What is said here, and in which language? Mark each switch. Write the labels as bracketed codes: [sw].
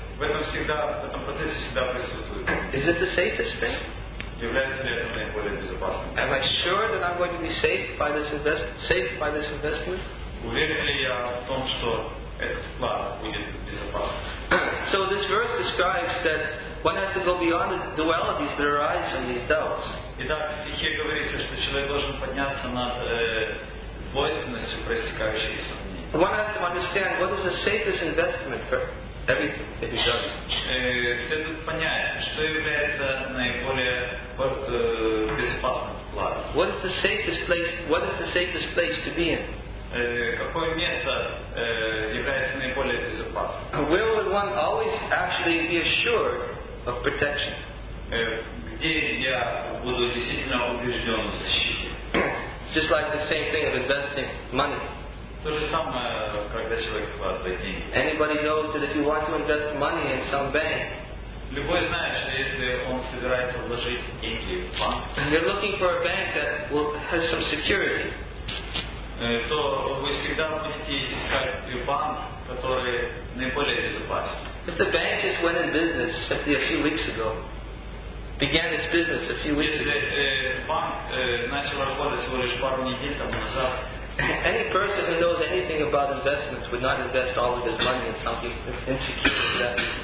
[ru] в этом всегда, в этом процессе всегда присутствует. [en] Is it the safest thing? [ru] Является ли это наиболее безопасным? [en] Am I sure that I'm going to be safe by this investment? [ru] Уверен ли я в том, что этот вклад будет безопасным? [en] So this verse describes that one has to go beyond the dualities that arise from these doubts. [ru] Итак, в стихе говорится, что человек должен подняться над двойственностью, проистекающей из сомнений. [en] One has to understand what is the safest investment for everything that he does. [ru] Следует понять, что является наиболее безопасным вкладом. [en] What is the safest place? What is the safest place to be in? [ru] Какое место является наиболее безопасным? [en] Where would one always actually be assured of protection? [ru] Где я буду действительно убежден в защите? [en] Just like the same thing of investing money. [ru] То же самое, когда человек вкладывает деньги. [en] Anybody knows that if you want to invest money in some bank, [ru] любой знает, что если он собирается вложить деньги в банк, [en] you're looking for a bank that will has some security. [ru] То вы всегда будете искать банк, который наиболее безопасен. [en] If the bank just went in business simply a few weeks ago. Began its business a few weeks ago. [ru] Банк начал работать всего лишь пару недель тому назад. [en] Any person who knows anything about investments would not invest all of his money in something insecure like that.